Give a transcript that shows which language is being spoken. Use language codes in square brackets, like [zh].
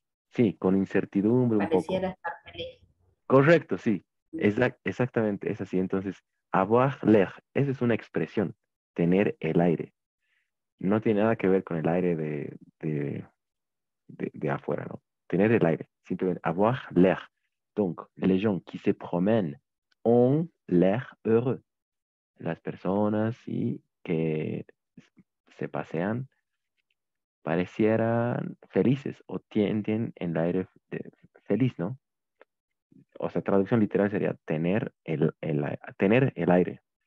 [es] Sí, con incertidumbre un poco. Pareciera estar feliz. Correcto, sí. Exactamente, es así. Entonces, [fr] avoir l'air, [es] esa es una expresión, tener el aire. No tiene nada que ver con el aire de afuera, ¿no? Tener el aire, simplemente [fr] avoir l'air. Donc, les gens qui se promènent ont l'air heureux. [es] Las personas sí, que se pasean parecieran felices o tienen el aire feliz, ¿no? O sea, traducción literal sería tener el aire.